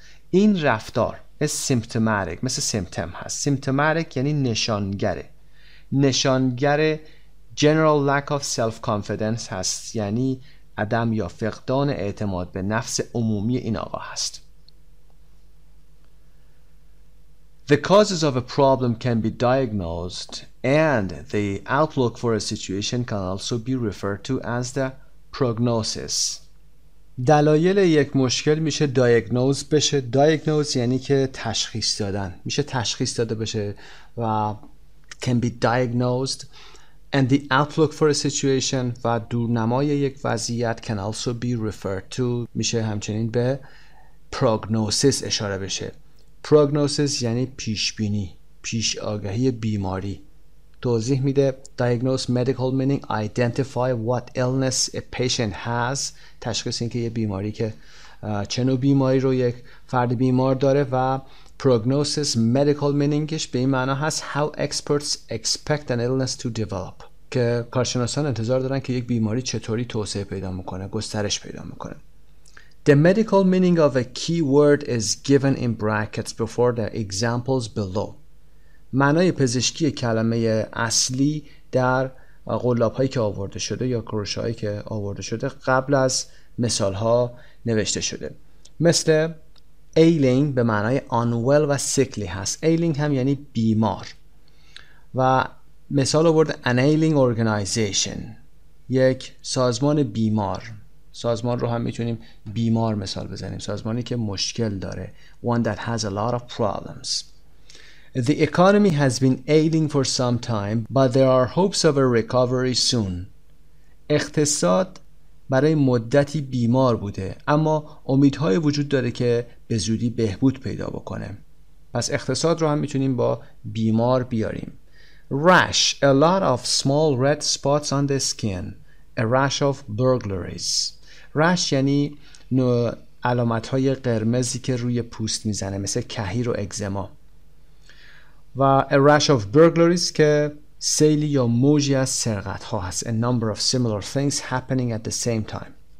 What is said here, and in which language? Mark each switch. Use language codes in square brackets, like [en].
[fa] این رفتار [en] is symptomatic، [fa] مثل symptom هست. symptomatic یعنی نشانگره، نشانگره [en] general lack of self-confidence [fa] هست، یعنی عدم یا فقدان اعتماد به نفس عمومی این آقا هست. [en] The causes of a problem can be diagnosed and the outlook for a situation can also be referred to as the prognosis. [fa] دلایل یک مشکل میشه دایگنوز بشه. دایگنوز یعنی که تشخیص دادن، میشه تشخیص داده بشه و [en] can be diagnosed and the outlook for a situation [fa] و دورنمای یک وضعیت [en] can also be referred to، [fa] میشه همچنین به prognosis اشاره بشه. prognosis یعنی پیشبینی، پیش آگاهی بیماری. توضیح میده [en] diagnose medical meaning identify what illness a patient has، [fa] تشخیص این که یه بیماری که چه نوع بیماری رو یک فرد بیمار داره. و prognosis medical meaningش به این معنا هست [en] how experts expect an illness to develop، [fa] که کارشناسان انتظار دارن که یک بیماری چطوری توسعه پیدا میکنه، گسترش پیدا میکنه. [en] The medical meaning of a keyword is given in brackets before the examples below. [fa] معنای پزشکی کلمه اصلی در قلاب‌هایی که آورده شده یا کروشه‌هایی که آورده شده قبل از مثال ها نوشته شده. مثل ailing به معنای unwell و sickly هست. ailing هم یعنی بیمار. و مثال آورد [en] an ailing organization، [fa] یک سازمان بیمار. سازمان رو هم میتونیم بیمار مثال بزنیم، سازمانی که مشکل داره. [en] One that has a lot of problems. The economy has been ailing for some time, but there are hopes of a recovery soon. [fa] اقتصاد برای مدتی بیمار بوده، اما امیدهای وجود داره که به زودی بهبود پیدا بکنه. پس اقتصاد رو هم میتونیم با بیمار بیاریم. [en] Rash, a lot of small red spots on the skin. A rash of burglaries. [fa] Rash یعنی نوع علامتهای قرمزی که روی پوست میزنه، مثل کهیر و اگزما. و [en] a rash of burglaries [fa] که سیلی یا موجی از سرقت ها هست. [en] A number of similar things happening at the same time.